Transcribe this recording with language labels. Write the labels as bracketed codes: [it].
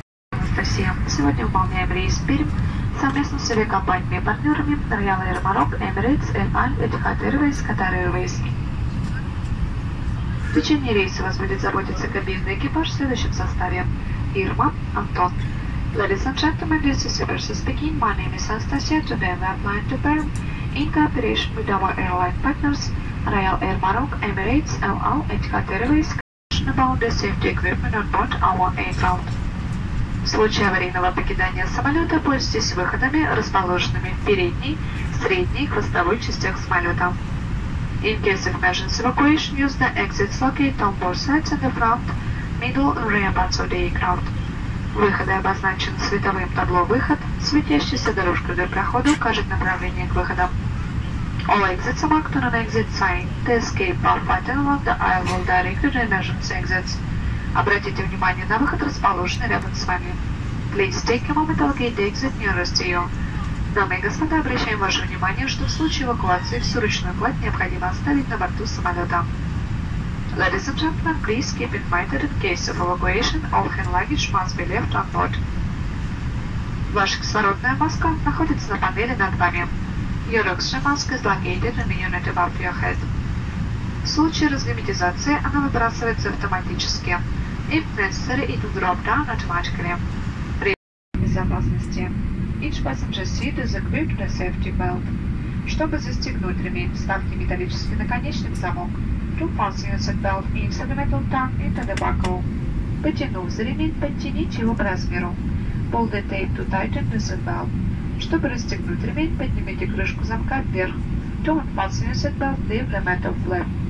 [ru] Анастасия, сегодня выполняем рейс Пермь совместно с авиакомпаниями и партнерами Royal Air Maroc, Emirates, Al Etihad Airways, Qatar Airways. В течение рейса вас будет заботиться кабинный экипаж в следующем составе. [en] Ирма, Антон. Ladies and gentlemen, this is Eversa speaking. My name is Anastasia. Today we are flying to Permь in cooperation with our airline partners. Royal Air Maroc, Emirates, Al Etihad Airways, question about the safety equipment on board our aircraft. [ru] В случае аварийного покидания самолета, пользуйтесь выходами, расположенными в передней, средней и хвостовой частях самолета. [en] In case of emergency evacuation, use the exits located on both sides in the front, middle and rear parts of the aircraft. [ru] Выходы обозначены световым табло «Выход», светящейся дорожкой для прохода укажет направление к выходам. [en] All exits are marked on an exit sign. The escape path button along the aisle will direct you to emergency exits. [ru] Обратите внимание на выход, расположенный рядом с вами. [en] Please take a moment to locate the exit nearest to you. [ru] Дамы и господа, обращаем ваше внимание, что в случае эвакуации всю ручную кладь необходимо оставить на борту самолета. [en] Ladies and gentlemen, please keep in mind that in case of evacuation, all hand luggage must be left on board. [ru] Ваша кислородная маска находится на панели над вами. [en] Your oxygen mask is located in the unit above your head. [ru] В случае разгерметизации она выбрасывается автоматически. [en] If necessary, it will drop down automatically. [ru] При безопасности. [en] Each passenger seat is equipped with a safety belt. [ru] Чтобы застегнуть ремень, вставьте металлический наконечник в замок. [en] To fasten your seat belt, insert the metal tongue into the buckle. [ru] Потянув за ремень, подтяните его к размеру. [en] Pull the tape to tighten the seat belt. [ru] Чтобы расстегнуть ремень, поднимите крышку замка вверх. [en] To unfasten your seatbelt, leave the metal flap.